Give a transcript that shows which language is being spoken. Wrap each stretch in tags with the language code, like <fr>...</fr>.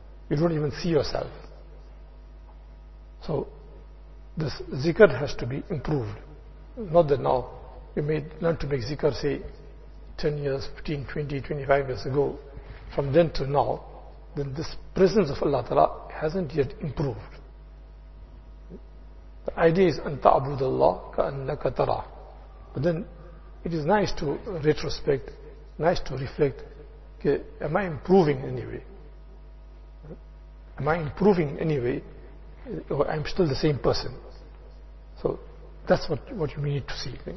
<en>You don't even see yourself. So this zikr has to be improved. Not that now you may learn to make zikr, say, 10 years, 15, 20, 25 years ago. From then to now, then this presence of Allah Ta'ala hasn't yet improved. The idea is,</en> <ar>أن تعبد الله كأنك ترى.</ar> <en>But then, it is nice to retrospect, nice to reflect, okay, am I improving anyway? Am I improving anyway? Or I'm still the same person? So, that's what you need to see.</en>